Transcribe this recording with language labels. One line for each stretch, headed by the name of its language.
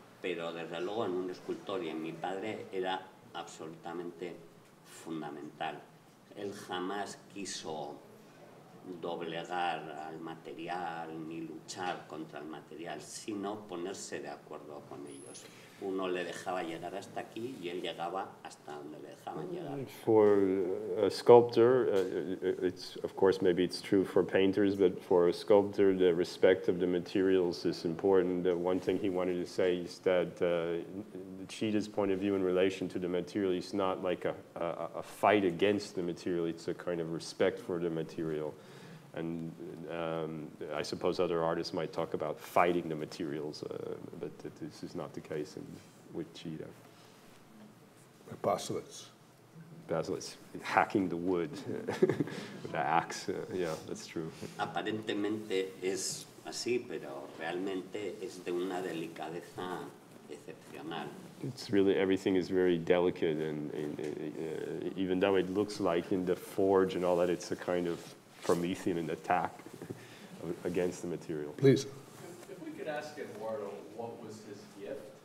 Spanish: Pero desde luego en un escultor y en mi padre era absolutamente fundamental. Él jamás quiso doblegar al material ni luchar contra el material, sino ponerse de acuerdo con ellos. Uno le dejaba llegar hasta aquí y él llegaba hasta donde le dejaban llegar.
English: For a sculptor, it's of course maybe it's true for painters, but for a sculptor, the respect of the materials is important. One thing he wanted to say is that the Chillida's point of view in relation to the material is not like a fight against the material; it's a kind of respect for the material. And I suppose other artists might talk about fighting the materials, but this is not the case with Chillida. Basilitz, hacking the wood with an axe. Yeah, that's true.
Spanish: Aparentemente es así, pero realmente es de una delicadeza excepcional.
English: It's really, everything is very delicate, and even though it looks like in the forge and all that, it's a kind of Promethean attack. against the material. Please. If we could ask Eduardo, what was his gift?